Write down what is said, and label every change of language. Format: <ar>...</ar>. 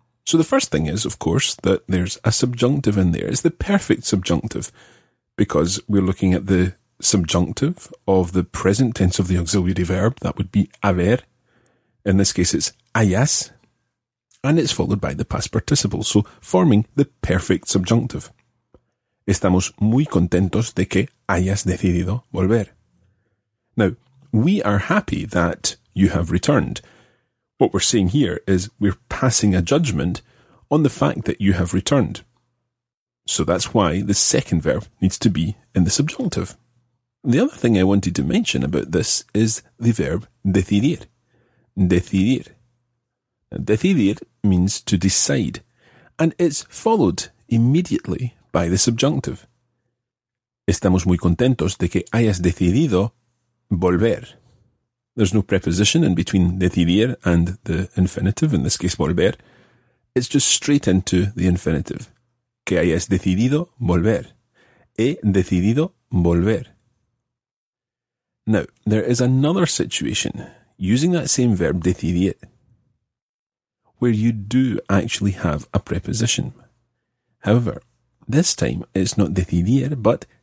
<en>So the first thing is, of course, that there's a subjunctive in there. It's the perfect subjunctive, because we're looking at the subjunctive of the present tense of the auxiliary verb. That would be haber. In this case, it's hayas. And it's followed by the past participle, so forming the perfect subjunctive.</en> <es>Estamos muy contentos de que hayas decidido volver.</es> <en>Now, we are happy that you have returned. What we're seeing here is we're passing a judgment on the fact that you have returned. So that's why the second verb needs to be in the subjunctive. The other thing I wanted to mention about this is the verb decidir. Decidir. Decidir means to decide, and it's followed immediately by the subjunctive.</en> <es>Estamos muy contentos de que hayas decidido volver.</es> <en>There's no preposition in between decidir and the infinitive, in this case volver. It's just straight into the infinitive.</en> <es>Que hayas decidido volver. He decidido volver.</es> <en>Now, there is another situation using that same verb decidir, where you do actually have a preposition. However, this time it's not decidir, but</en>